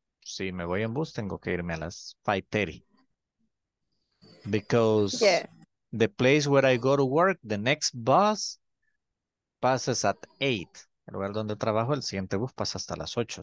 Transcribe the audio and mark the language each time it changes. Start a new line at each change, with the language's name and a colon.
Spanish: Si me voy en bus, tengo que irme a las 5:30.
English: Because the place where I go to work, the next bus passes at 8.
Spanish: El lugar donde trabajo, el siguiente bus pasa hasta las 8.